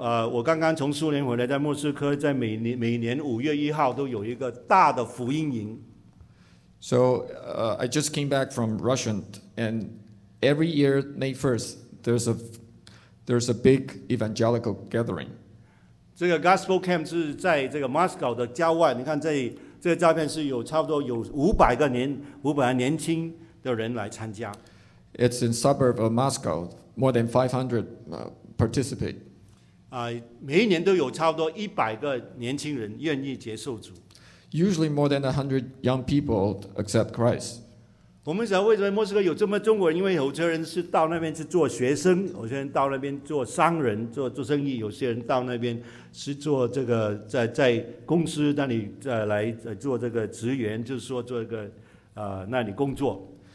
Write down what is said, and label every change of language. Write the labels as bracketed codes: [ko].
[zh] 我刚刚从苏联回来，在莫斯科，在每年五月一号都有一个大的福音营。 [en] So I just came back from Russia, and every year May 1st, there's a big evangelical gathering. [zh] 这个 gospel camp 是在这个 Moscow 的郊外。你看这个照片是有差不多有500个年轻。的人来参加。 [en] It's in suburb of Moscow. More than 500 participate. [zh] 每一年都有差不多100个年轻人愿意接受主。 [en] Usually more than 100 young people accept Christ. [zh] 我们想为什么莫斯科有这么中国人？因为有些人是到那边去做学生，有些人到那边做商人，做生意；有些人到那边是做这个在公司那里来做这个职员，就是说做一个那里工作。